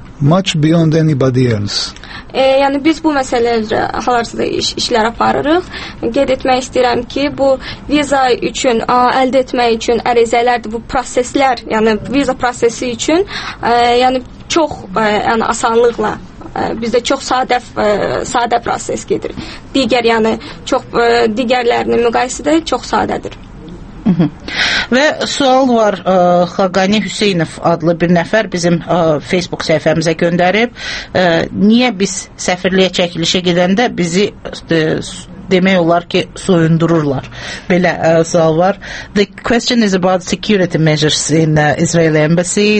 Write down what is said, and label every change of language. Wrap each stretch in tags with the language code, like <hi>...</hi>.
<en>Much beyond anybody else.</en> <az>Yəni biz bu məsələlərə hal-hazırda işlər aparırıq. Qeyd etmək istəyirəm ki, bu viza üçün əldə etmək üçün ərizələrdir, bu proseslər, yəni viza prosesi üçün yəni çox yəni asanlıqla bizdə çox sadə proses gedir. Digər yəni çox digərlərinin müqayisədə çox sadədir. Və sual var, Xaqani Hüseynov adlı bir nəfər bizim Facebook səhifəmizə göndərib. Niyə biz səfirliyə çəkilişə gedəndə bizi demək olar ki, soyundururlar? Belə sual var.</az> <en>The question is about security measures in the Israeli embassy.</en>